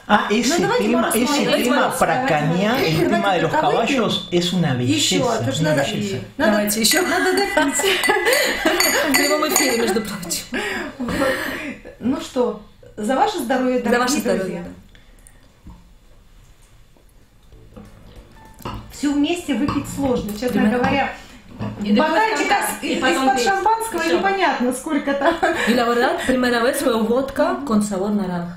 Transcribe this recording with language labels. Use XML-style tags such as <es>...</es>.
<es>А, ese tema</es> <ru>про коня,</ru> <es>el tema de los caballos, es una belleza.</es> <ru>Еще, это же надо. Давайте еще. Надо допить. В прямом эфире, между прочим. Ну что, за ваше здоровье, дорогие друзья. За ваше здоровье. Все вместе выпить сложно, честно говоря. Бокальчик из-под шампанского непонятно, сколько там.</ru> <es>И на verdad, primera vez fue водка con sabor naranja.</es>